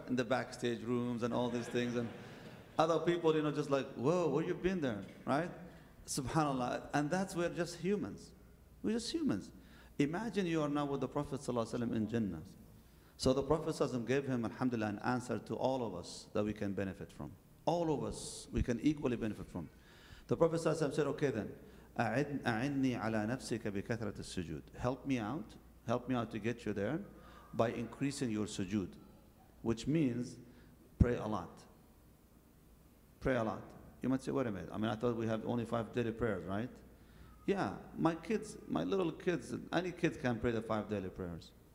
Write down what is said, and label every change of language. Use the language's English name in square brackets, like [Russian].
[English] In the backstage rooms and all these things. And other people, just like, whoa, where you been there, right? SubhanAllah. And that's where just humans. We're just humans. Imagine you are now with the Prophet ﷺ in Jannah. So the Prophet ﷺ gave him, alhamdulillah, an answer to all of us that we can benefit from. All of us, we can equally benefit from. The Prophet ﷺ said, okay then, [Arabic] أعني على نفسك بكثرة السجود. [English] Help me out to get you there by increasing your sujood, which means pray a lot. Pray a lot. You might say, wait a minute, I thought we have only 5 daily prayers, right? Yeah, my kids, my little kids, any kid can pray the five daily prayers.